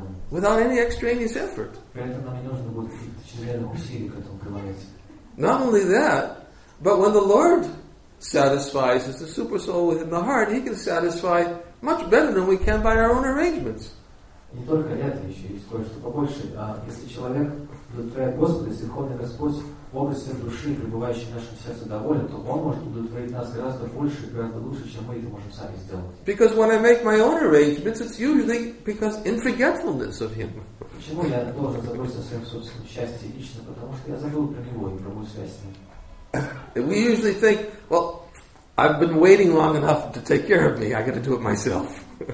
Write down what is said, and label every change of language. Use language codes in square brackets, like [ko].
[en] Without any extraneous effort. Not only that, but when the Lord satisfies as the super soul within the heart, He can satisfy much better than we can by our own arrangements. [ru] Не только это еще, есть кое-что побольше. А если человек удовлетворяет Господа, если Верховный Господь в образе души, пребывающей в нашем сердце, доволен, то Он может удовлетворить нас гораздо больше, гораздо лучше, чем мы это можем сами сделать. [en] Because when I make my own arrangements, it's usually because in forgetfulness of Him. [ru] Почему я должен заботиться о своем собственном счастье лично? Потому что я забыл про Него и про мою связь с Ним. [en] We usually think, well, I've been waiting long enough to take care of me, I've got to do it myself.